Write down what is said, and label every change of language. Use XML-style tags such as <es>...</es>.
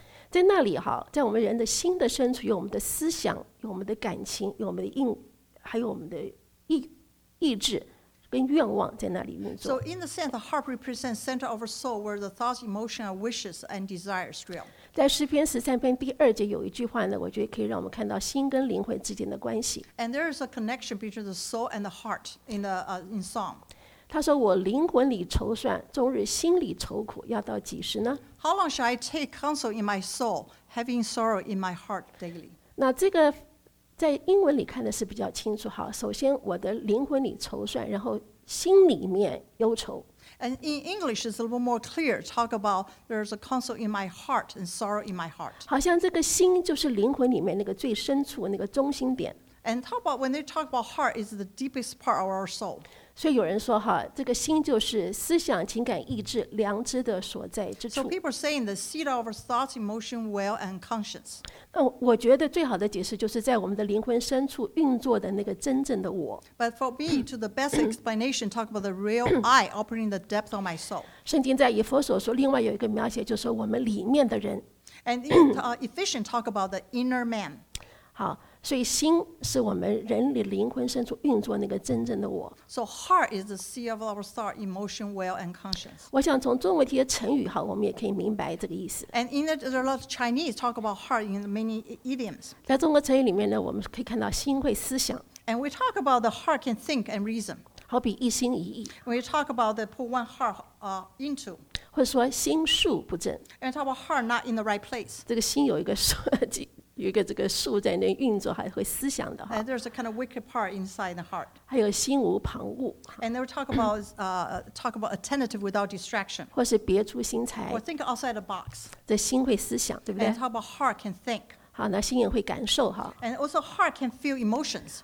<zh>在那里哈，在我们人的心的深处，有我们的思想，有我们的感情，有我们的应，还有我们的意志跟愿望在那里运作。</zh> <en>So in the sense, the heart represents center of our soul where the thoughts, emotions, wishes, and desires dwell.</en> <zh>在诗篇十三篇第二节有一句话呢，我觉得可以让我们看到心跟灵魂之间的关系。</zh> <en>And there is a connection between the soul and the heart in the in Psalm.</en> <zh>他说：“我灵魂里筹算，终日心里愁苦，要到几时呢</zh> <en>？”How long shall I take counsel in my soul, having sorrow in my heart daily?</en> <zh>那这个在英文里看的是比较清楚哈。首先，我的灵魂里筹算，然后心里面忧愁。</zh> <en>And in English, it's a little more clear. Talk about there's a counsel in my heart and sorrow in my heart.</en> <zh>好像这个心就是灵魂里面那个最深处那个中心点。</zh> <en>And talk about when they talk about heart is the deepest part of our soul.</en> <zh>所以有人说哈，这个心就是思想、情感、意志、良知的所在之处。</zh> <en>So people are saying the seat of our thoughts, emotion, will, and conscience.</en> <zh>那我觉得最好的解释就是在我们的灵魂深处运作的那个真正的我。</zh> <en>But for me, to the best explanation, talk about the real I operating the depth of my soul.</en> <zh>圣经在以弗所说，另外有一个描写，就是我们里面的人。</zh> <en>And Ephesians talk about the inner man.</en> <zh>好。所以心是我们人的灵魂深处运作那个真正的我。</zh> <en>So heart is the seat of our thought, emotion, will, and conscience.</en> <zh>我想从中文这些成语哈，我们也可以明白这个意思。</zh> <en>And in the lot of Chinese talk about heart in many idioms.</en> <zh>在中国成语里面呢，我们可以看到心会思想。</zh> <en>And we talk about the heart can think and reason.</en> <zh>好比一心一意。</zh> <en>We talk about the put one heart into.</en> <zh>或者说心术不正。</zh> <en>And talk about heart not in the right place.</en> <zh>这个心有一个设计。有一个这个树在那运作，还会思想的哈。</zh> <en>And there's a kind of wicked part inside the heart.</en> <zh>还有心无旁骛。</zh> <en>And they talk about attentive without distraction.</en> <zh>或是别出心裁。</zh> <en>Or think outside the box.</en> <zh>这心会思想，对不对</zh> <en>？And talk about heart can think.</en> <zh>好，那心也会感受哈。</zh> <en>And also heart can feel emotions.</en>